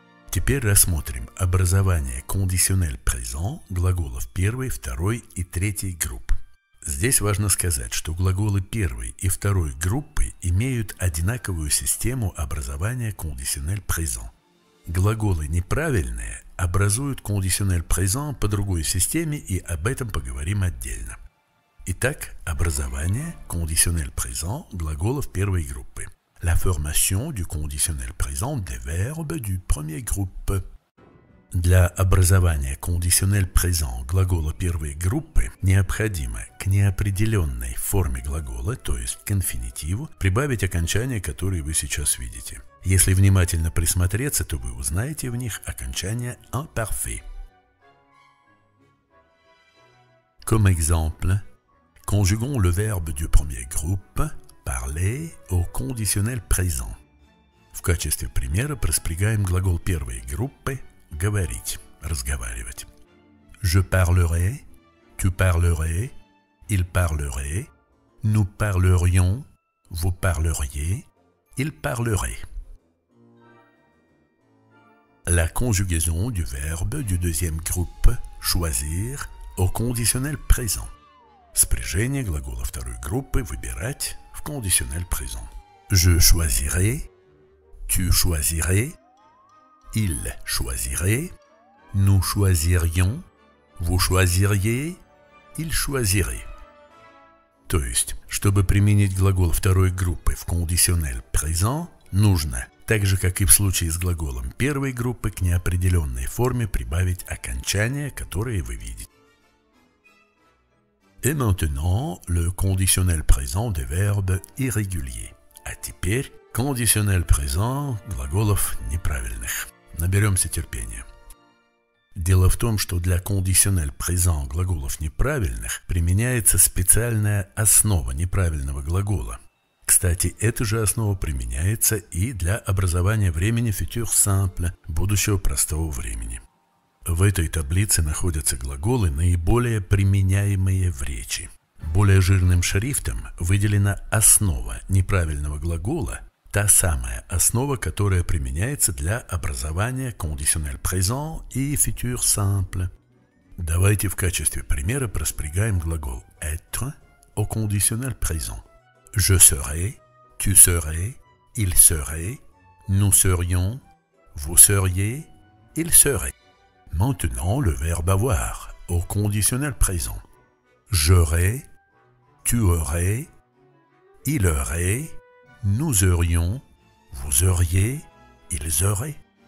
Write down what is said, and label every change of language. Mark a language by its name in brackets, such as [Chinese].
[Russian] Теперь рассмотрим образование conditionnel présent глаголов первой, второй и третьей групп. Здесь важно сказать, что глаголы первой и второй группы имеют одинаковую систему образования conditionnel présent. Глаголы неправильные образуют conditionnel présent по другой системе, и об этом поговорим отдельно. Итак, образование conditionnel présent глаголов первой группы. [French] La formation du conditionnel présent des verbes du premier groupe. [Russian] Для образования кондиционель présent глагола первой группы необходимо к неопределенной форме глагола, то есть к инфинитиву, прибавить окончание, которое вы сейчас видите. Если внимательно присмотреться, то вы узнаете в них окончание imparfait. [French] Comme exemple, conjuguons le verbe du premier groupe parler au conditionnel présent. [Russian] В качестве примера приспрягаем глагол первой группы говорить, разговаривать. [French] Je parlerai, tu parlerais, il parlerait, nous parlerions, vous parleriez, il parlerait. La conjugaison du verbe du deuxième groupe choisir au conditionnel présent. [Russian] Спряжение глагола второй группы выбирать в conditionnel présent. [French] Je choisirai, tu choisirais, il choisirait, nous choisirions, vous choisiriez, il choisirait. [Russian] То есть, чтобы применить глагол второй группы в conditionnel présent, нужно, так же как и в случае с глаголом первой группы, к неопределенной форме прибавить окончание, которое вы видите. [French] Et maintenant, le conditionnel présent des verbes irréguliers. [Russian] А теперь, conditionnel présent глаголов неправильных. Наберемся терпения. Дело в том, что для conditionnel présent глаголов неправильных применяется специальная основа неправильного глагола. Кстати, эта же основа применяется и для образования времени futur simple, будущего простого времени. В этой таблице находятся глаголы, наиболее применяемые в речи. Более жирным шрифтом выделена основа неправильного глагола, та самая основа, которая применяется для образования conditionnel présent и futur simple. Давайте в качестве примера проспрягаем глагол être au conditionnel présent. [French] Je serai, tu serais, il serait, nous serions, vous seriez, il serait. Maintenant, le verbe avoir au conditionnel présent. J'aurai, tu aurais, il aurait, nous aurions, vous auriez, ils auraient.